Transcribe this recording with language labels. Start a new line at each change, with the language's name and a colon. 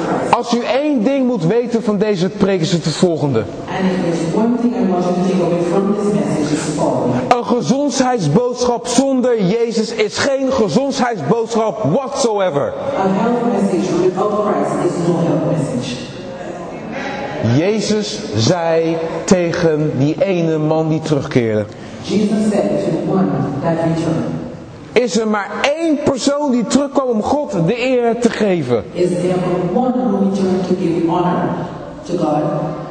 Dutch: Als u één ding moet weten van deze preek is het volgende.
English: And if there's one thing I want you to take away from this message, it's following.
Dutch: Een gezondheidsboodschap zonder Jezus is geen gezondheidsboodschap
English: whatsoever. A health message without Christ is no health message.
Dutch: Jezus zei tegen die ene man die terugkeerde.
English: Jesus said to one that returned.
Dutch: Is er maar één persoon die terugkwam om God de eer te geven?
English: Is there one who returned to give honor to God?